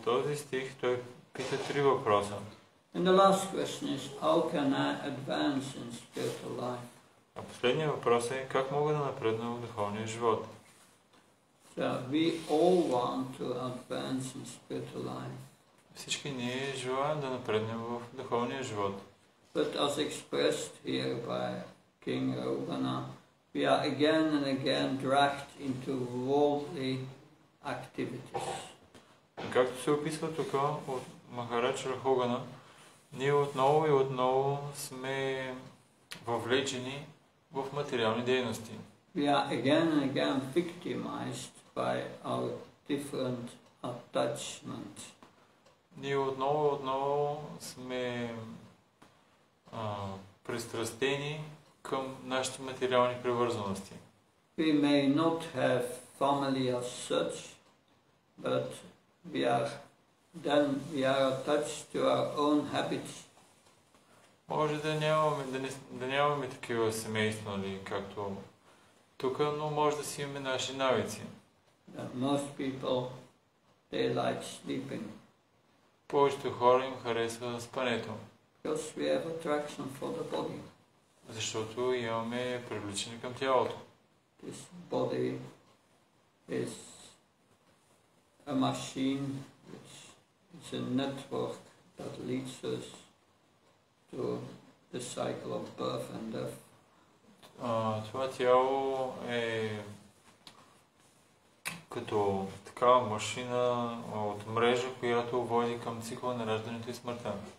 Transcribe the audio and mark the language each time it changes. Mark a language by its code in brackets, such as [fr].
[bg] В този стих той пита три въпроса. [en] And the last question is, how can I advance in spiritual life? [bg] А последният въпрос е, как мога да напредна в духовния живот? [en] So we all want to advance in spiritual life. [bg] Всички ние желаем да напреднем в духовния живот. [en] But as expressed here by King Ravana, we are again and again dragged into worldly activities. [bg] Както се описва тук от Махарадж Рахугана, ние отново и отново сме въвлечени в материални дейности. [en] We are again and again victimized by our different attachments. [bg] Ние отново и отново сме пристрастени към нашите материални привързаности. [en] We may not have family as such, but we are attached to our own habits. [bg] Може да нямаме, да нямаме такива семейства, нали, както тук, но може да си имаме наши навици. [en] Most people, they like sleeping. [bg] Повечето хора им харесва спането. [en] Because we have attraction for the body. [bg] Защото имаме привличане към тялото. [en] This body is a machine which is a network that leads us to the cycle of birth and death. [bg] Това тяло е като такава машина от мрежа, която води към цикла на раждането и смъртта.